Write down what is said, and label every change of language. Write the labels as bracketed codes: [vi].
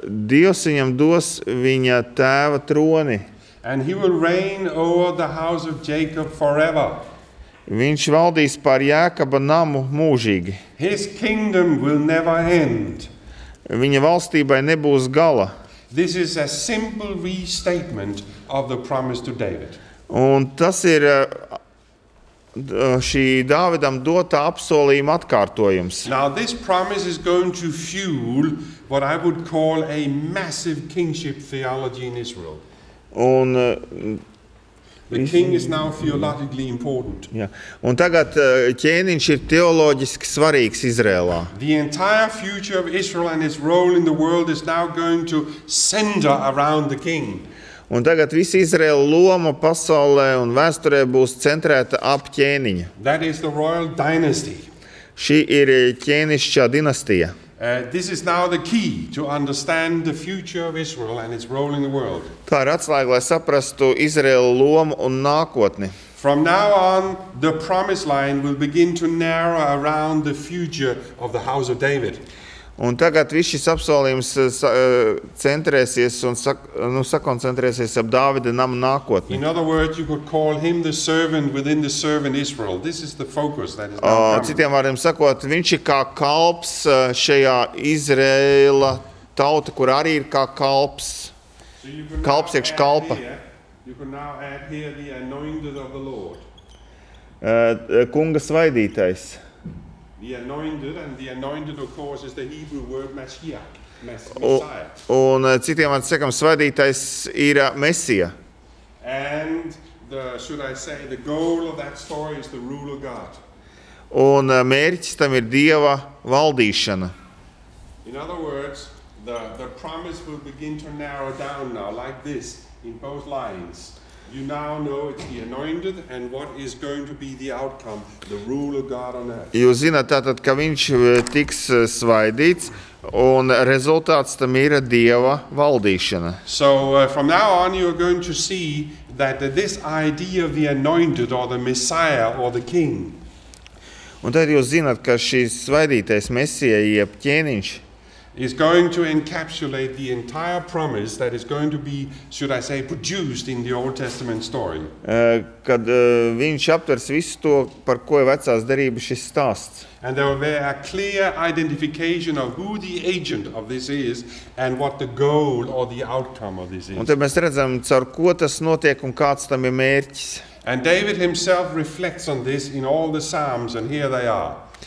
[lv] Dievs viņam dos viņa tēva troni. [en] And he will reign over the house of Jacob forever. [lv] Viņš valdīs par Jēkaba namu mūžīgi. [en] His kingdom will never end. [lv] Viņa valstībai nebūs gala. [en] This is a simple restatement of the promise to David. [lv] Un tas ir šī Dāvidam dotā apsolījuma atkārtojums. [en] Now this promise is going to fuel what I would call a massive kingship theology in Israel. [lv] Un [en] the king is now theologically important. [lv] Ja. Un tagad ķēniņš ir teoloģiski svarīgs Izrēlā. [en] The entire future of Israel and its role in the world is now going to center around the king. [lv] Un tagad visa Izraela loma pasaulē un vēsturē būs centrēta ap ķēniņu. [en] That is the royal dynasty. [lv] Šī ir ķēnišķā dinastija. [en] This is now the key to understand the future of Israel and its role in the world. [lv] Tā ir atslēga, lai saprastu Izraela lomu un nākotni. [en] From now on, the promise line will begin to narrow around the future of the house of David. [lv] Un tagad viss šis apsolījums centrēsies un sakoncentrēsies ap Dāvida namu nākotni. [en] In other words, you could call him the servant within the servant Israel. This is the focus that is now coming. [lv] Citiem vārdiem sakot, viņš ir kā kalps šajā Izraela tauta, kur arī ir kā kalps. Kalps iekš kalpa. [en] You can now add here the anointed of the Lord. [lv] Kunga svaidītais. [en] The anointed and the anointed of course is the Hebrew word Messiah. [lv] Un citiem vārdiem sakam svaidītais ir Mesija. [en] And the should I say the goal of that story is the rule of God. [lv] Un mērķis tam ir Dieva valdīšana. [en] In other words, the promise will begin to narrow down now like this in both lines. You now know it's the anointed and what is going to be the outcome, the rule of God on earth. [lv] Jūs zināt tātad, ka viņš tiks svaidīts un rezultāts tam ir Dieva valdīšana. [en] So from now on you are going to see that this idea of the anointed or the Messiah or the king. [lv] Un tad jūs zināt, ka šis svaidītais Mesija jeb ķēniņš [en] is going to encapsulate the entire promise that is going to be, should I say, produced in the Old Testament story. [lv] Kad viņš aptvers visu to, par ko ir vecās derības šis stāsts. [en] And there will be a clear identification of who the agent of this is and what the goal or the outcome of this is. [lv] Un tad mēs redzam, caur ko tas notiek un kāds tam ir mērķis. [en] And David himself reflects on this in all the Psalms, and here they are.